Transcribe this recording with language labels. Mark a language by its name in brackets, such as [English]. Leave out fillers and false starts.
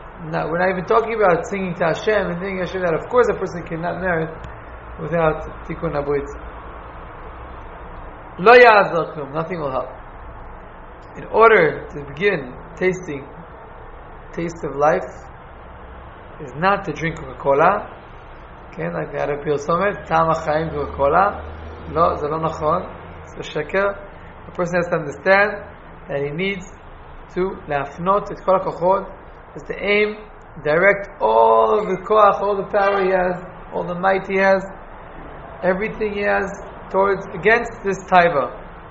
[English] Now, we're not even talking about singing to Hashem and thinking Hashem, that of course a person cannot merit without Tikkun HaBrit. [Hebrew] Lo yazor klum, [English] nothing will help. In order to begin tasting taste of life is not to drink Coca-Cola. [Hebrew] כן, רק נהיה לפרסומת, טעם החיים Coca-Cola. לא, זה לא נכון, זה שקר. [English] A person has to understand that he needs to [Hebrew] להפנות את כל הכוחות, [English] is to aim, direct all the כוח, all the power he has, all the might he has, everything he has towards, against this taiva.